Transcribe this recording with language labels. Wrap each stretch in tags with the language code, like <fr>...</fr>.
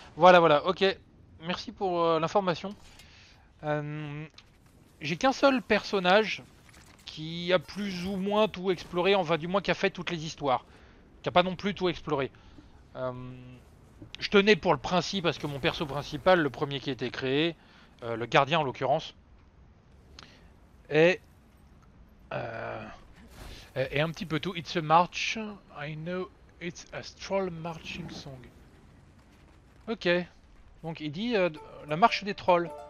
<fr>Voilà, ok, merci pour l'information. J'ai qu'un seul personnage qui a plus ou moins tout exploré, enfin, du moins qui a fait toutes les histoires, qui a pas non plus tout exploré. Je tenais pour le principe parce que mon perso principal, le premier qui a été créé, le gardien en l'occurrence, est. Et un petit peu tout.</fr> <en>It's a march. I know it's a stroll marching song. Ok.</en> <fr>Donc il dit la marche des trolls.</fr>